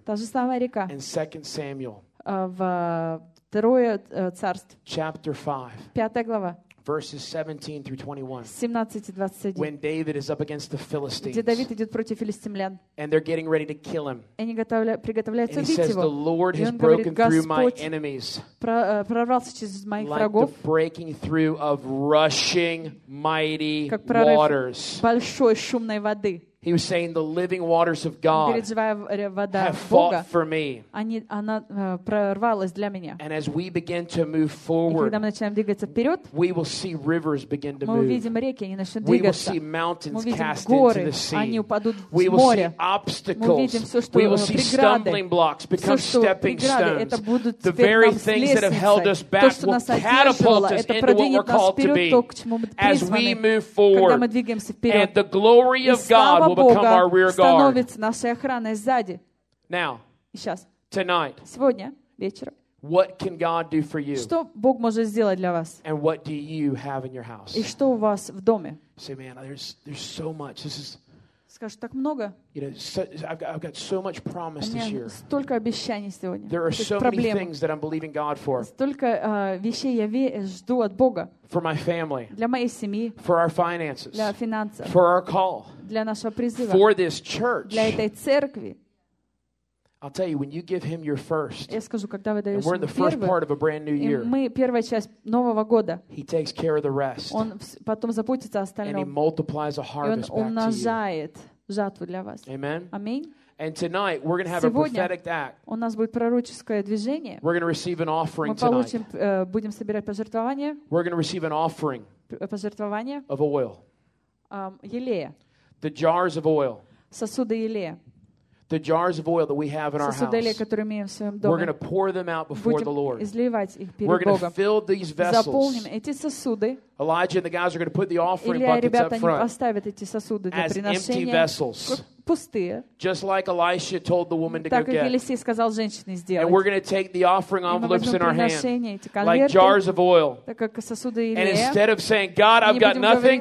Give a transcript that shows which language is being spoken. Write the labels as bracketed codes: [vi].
[ru] Та же самая река. [en] In 2 Samuel. [ru] В Второе царство. [en] Chapter 5. [ru] Пятая глава. [en] Verses 17 through 21. [ru] 17-21. [en] When David is up against the Philistines. [ru] Где Давид идет против филистимлян. [en] And they're getting ready to kill him. [ru] И они приготовляются убить его. [en] And he says, the Lord has broken through my enemies. [ru] Прорвался через моих [en] like [ru] врагов. [en] Like the breaking through of rushing mighty waters. [ru] Большой шумной воды. [en] He was saying, the living waters of God have fought for me. And as we begin to move forward, we will see rivers begin to move. We will see mountains cast into the sea. We will see obstacles. We will see stumbling blocks become stepping stones. The very things that have held us back will catapult us into what we're called to be. As we move forward, and the glory of God will become our rear guard. [ru] Становится нашей охраной сзади. [en] Now, [ru] сейчас. [en] Tonight. [ru] Сегодня вечером. [en] What can God do for you? [ru] Что Бог может сделать для вас? [en] And what do you have in your house? [ru] И что у вас в доме? [en] Say, man, there's so much. This is. [ru] Скажешь, так много? [en] You know, so, I've got so much promise this year. [ru] Столько обещаний сегодня. [en] There are so [ru] проблемы. [en] Many things that I'm believing God for. [ru] Столько вещей я жду от Бога. [en] For my family. [ru] Для моей семьи. [en] For our finances. [ru] Для финансов. [en] For our call. [ru] Для нашего призыва. [en] For this church. [ru] Для этой церкви. [en] I'll tell you, when you give him your first, [ru] я скажу, когда вы даете ему первое, [en] and we're in the first part of a brand new year, [ru] и мы первая часть нового года, [en] he takes care of the rest, [ru] он потом заботится о остальном, [en] and he multiplies a harvest back to you. [ru] И он умножает жатву для вас. [en] Amen. [ru] Аминь. [en] And tonight we're going to have [ru] сегодня [en] a prophetic act. [ru] У нас будет пророческое движение. [en] We're going to receive an offering [ru] мы получим, [en] tonight. [ru] Будем собирать пожертвование. [en] We're going to receive an offering [ru] пожертвование [en] of oil. [ru] Елея. [en] The jars of oil. [ru] Сосуды елея. [en] The jars of oil that we have in our house. [ru] Которые мы имеем в своем доме. [en] We're going to pour them out before [ru] будем [en] the Lord. [ru] Изливать их перед [en] we're going [ru] Богом. [en] To fill these vessels. [ru] Заполним эти сосуды. [en] Elijah and the guys are going to put the offering [ru] Илья, [en] buckets [ru] ребята, [en] up front. [ru] Поставят эти сосуды для [en] as [ru] приношения. [en] Empty vessels. [ru] Пустые. [en] Just like Elisha told the woman to [ru] так [en] go get. [ru] Так Елисей сказал женщине сделать. [en] And we're going to take the offering envelopes in our hands. [ru] Эти [en] like jars of oil. [ru] Так как сосуды Илья. [en] And instead of saying, God, I've got nothing.